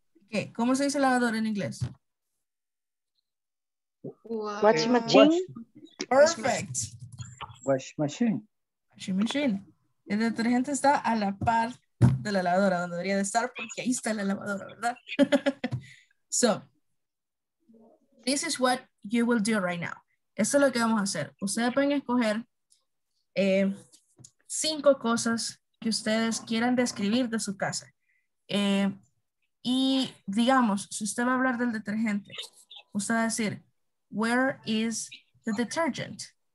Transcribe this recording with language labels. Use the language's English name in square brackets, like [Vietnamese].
[Spanish] ¿Qué? ¿Cómo se dice lavadora en inglés? [English] Washing machine. Perfect. Washing machine. Washing machine. [Spanish] El detergente está a la par de la lavadora, donde debería de estar, porque ahí está la lavadora, ¿verdad? [English] So, this is what you will do right now. [Spanish] Esto es lo que vamos a hacer. Ustedes pueden escoger 5 cosas que ustedes quieran describir de su casa. Y digamos, si usted va a hablar del detergente, usted va a decir, [English] where is the detergent?